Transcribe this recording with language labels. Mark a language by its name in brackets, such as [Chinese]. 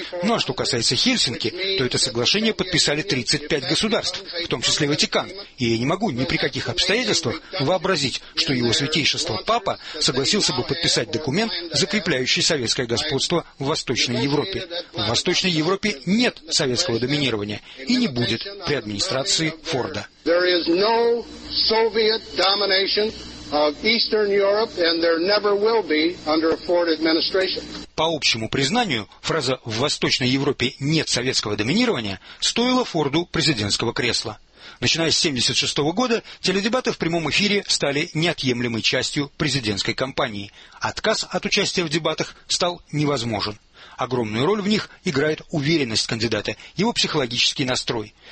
[Russian] Ну а что касается Хельсинки, то это соглашение подписали 35 государств, в том числе Ватикан, и я не могу ни при каких обстоятельствах вообразить, что его святейшество Папа согласился бы подписать документ, закрепляющий советское господство в Восточной Европе. В Восточной Европе нет советского доминирования и не будет при администрации Форда. [English] There is no Soviet domination of Eastern Europe, and there never will be under a Ford administration. [Russian] По общему признанию, фраза «в Восточной Европе нет советского доминирования» стоила Форду президентского кресла. Начиная с 1976 года, теледебаты в прямом эфире стали неотъемлемой частью президентской кампании. Отказ от участия в дебатах стал невозможен. Огромную роль в них играет уверенность кандидата, его психологический настрой.